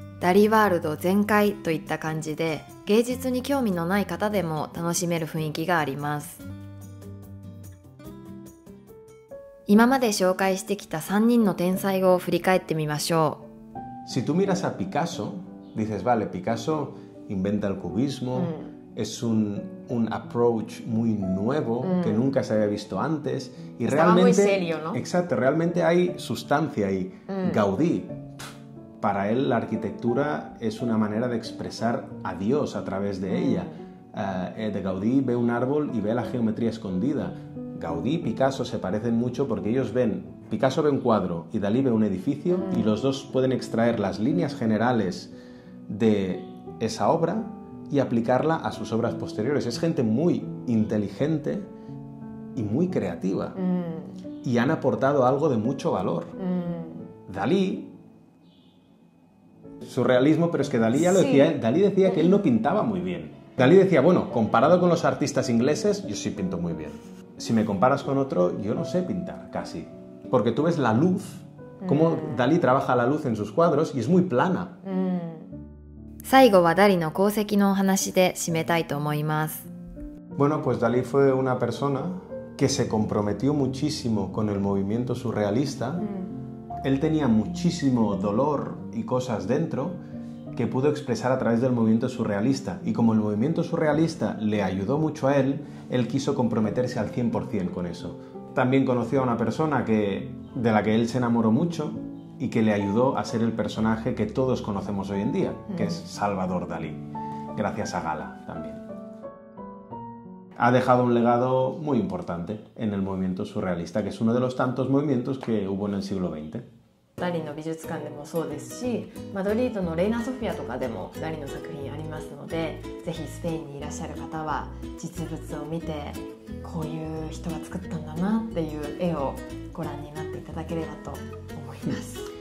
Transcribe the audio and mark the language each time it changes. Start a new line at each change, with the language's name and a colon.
Japanese: ダリワールド全開といった感じで、芸術に興味のない方でも楽しめる雰囲気があります。今まで紹介してきた3人の天才を振り返ってみましょう。
Spanish: Si tú miras a Picasso, dices, vale, Picasso inventa el cubismo,、mm. es un approach muy nuevo、mm. que nunca se había visto antes. Y realmente, estaba muy serio, ¿no? Exacto, realmente hay sustancia ahí.、Mm. Gaudí, para él la arquitectura es una manera de expresar a Dios a través de、mm. ella. De Gaudí ve un árbol y ve la geometría escondida. Gaudí y Picasso se parecen mucho porque ellos ven, Picasso ve un cuadro y Dalí ve un edificio、mm. y los dos pueden extraer las líneas generales de esa obra y aplicarla a sus obras posteriores. Es gente muy inteligente y muy creativa、mm. y han aportado algo de mucho valor.、Mm. Dalí, surrealismo, pero es que Dalí ya lo、sí. decía, Dalí decía que él no pintaba muy bien. Dalí decía, bueno, comparado con los artistas ingleses, yo sí pinto muy bien. Si me comparas con otro, yo no sé pintar, casi. Porque tú ves la luz, cómo、mm. Dalí trabaja la luz en sus cuadros y es muy plana.、Mm.
Japanese: 最後はダリの功績のお話で締めたいと思います。
Spanish: Bueno, pues Dalí fue una persona que se comprometió muchísimo con el movimiento surrealista.、Mm. Él tenía muchísimo dolor y cosas dentro que pudo expresar a través del movimiento surrealista. Y como el movimiento surrealista le ayudó mucho a él, él quiso comprometerse al 100% con eso. También conoció a una persona que, de la que él se enamoró mucho y que le ayudó a ser el personaje que todos conocemos hoy en día, que es Salvador Dalí, gracias a Gala también. Ha dejado un legado muy importante en el movimiento surrealista, que es uno de los tantos movimientos que hubo en el siglo XX.
Japanese: ダリの美術館でもそうですし、マドリードのレイナソフィアとかでもダリの作品ありますので、ぜひスペインにいらっしゃる方は実物を見て、こういう人が作ったんだなっていう絵をご覧になっていただければと思います。